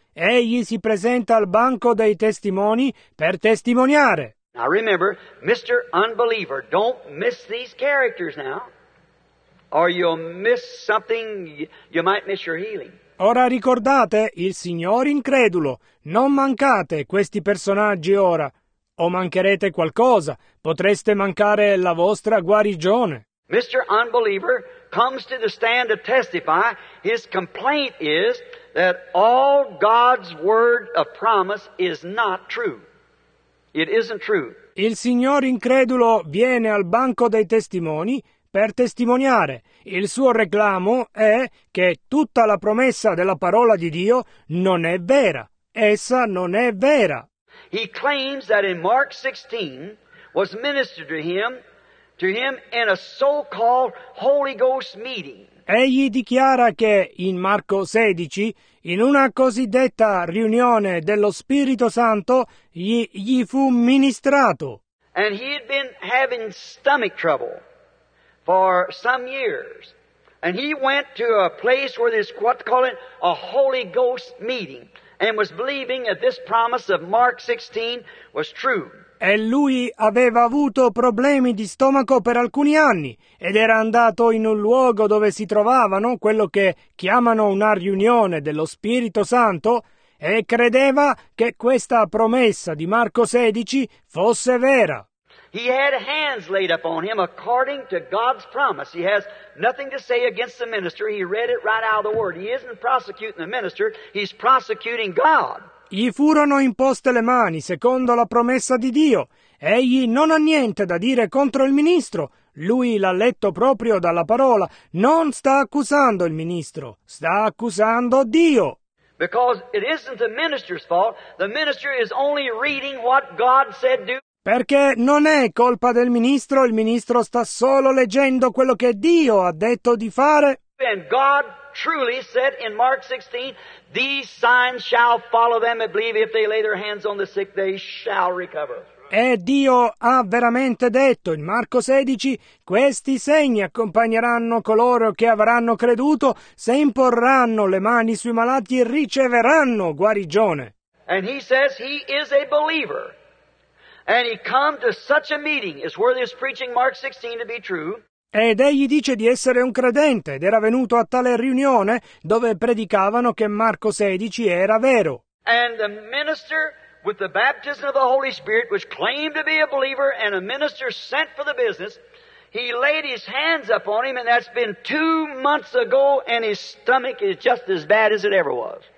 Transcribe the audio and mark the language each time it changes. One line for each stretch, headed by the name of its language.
Italian: Egli si presenta al banco dei testimoni per testimoniare.
English: Now remember, Mr. Unbeliever, don't miss these characters now, or you'll miss something, you might miss your healing.
Italian: Ora ricordate il signor incredulo, non mancate questi personaggi ora, o mancherete qualcosa, potreste mancare la vostra guarigione.
English: Mr. Unbeliever comes to the stand to testify. His complaint is that all God's word of promise is not true. It isn't true.
Italian: Il signor incredulo viene al banco dei testimoni per testimoniare. Il suo reclamo è che tutta la promessa della parola di Dio non è vera. Essa non è vera.
English: He claims that in Mark 16 was ministered to him in a so-called Holy Ghost meeting.
Italian: Egli dichiara che in Marco 16, in una cosiddetta riunione dello Spirito Santo, gli fu ministrato.
English: And he had been having stomach trouble for some years, and he went to a place where there's what they call it a Holy Ghost meeting, and was believing that this promise of Mark 16 was true.
Italian: E lui aveva avuto problemi di stomaco per alcuni anni ed era andato in un luogo dove si trovavano quello che chiamano una riunione dello Spirito Santo e credeva che questa promessa di Marco 16 fosse vera.
English: He had hands laid upon him according to God's promise. He has nothing to say against the minister. He read it right out of the word. He isn't prosecuting the minister. He's prosecuting God.
Italian: Gli furono imposte le mani secondo la promessa di Dio. Egli non ha niente da dire contro il ministro. Lui l'ha letto proprio dalla parola. Non sta accusando il ministro. Sta accusando Dio.
English: Because it isn't the minister's fault. The minister is only reading what God said to.
Italian: Perché non è colpa del ministro, il ministro sta solo leggendo quello che Dio ha detto di fare.
English: And God truly said in Mark 16, these signs shall follow them that believe, if they lay their hands on the sick they shall recover.
Italian: E Dio ha veramente detto in Marco 16, questi segni accompagneranno coloro che avranno creduto, se imporranno le mani sui malati riceveranno guarigione.
English: And he says he is a believer. And he come to such a meeting as worthy of preaching Mark 16 to be true.
Italian: Ed egli dice di essere un credente ed era venuto a tale riunione dove predicavano che Marco 16 era vero.
English: And the minister with the baptism of the Holy Spirit, which claimed to be a believer and a minister sent for the business, he laid his hands upon him, and that's been 2 months ago, and his stomach is just as bad as it ever was.